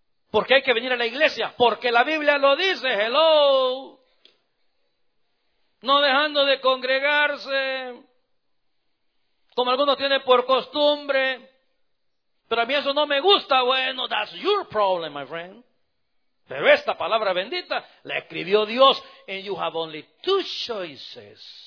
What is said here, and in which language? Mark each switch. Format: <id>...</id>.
<es>¿Por qué hay que venir a la iglesia? Porque la Biblia lo dice, hello. No dejando de congregarse, como algunos tienen por costumbre. Pero a mí eso no me gusta.</es> <en>Bueno, that's your problem, my friend.</en> <es>Pero esta palabra bendita la escribió Dios.</es> <en>And you have only 2 choices.</en>